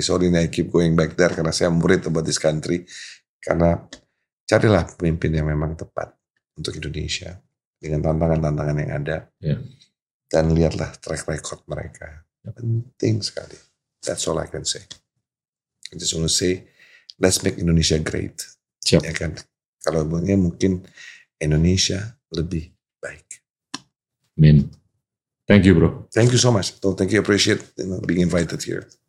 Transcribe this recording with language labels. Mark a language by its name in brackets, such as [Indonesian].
[English] Sorry, I keep going back there [Indonesian] karena saya murid [English] about this country. [Indonesian] Karena carilah pemimpin yang memang tepat untuk Indonesia dengan tantangan-tantangan yang ada, dan lihatlah track record mereka. Penting sekali. [English] That's all I can say. I just want to say, let's make Indonesia great. [Indonesian] Siap. Ya kan? Kalau bukannya mungkin Indonesia lebih baik. [English] Amin. Thank you, bro. Thank you so much. So, thank you, appreciate you know, being invited here.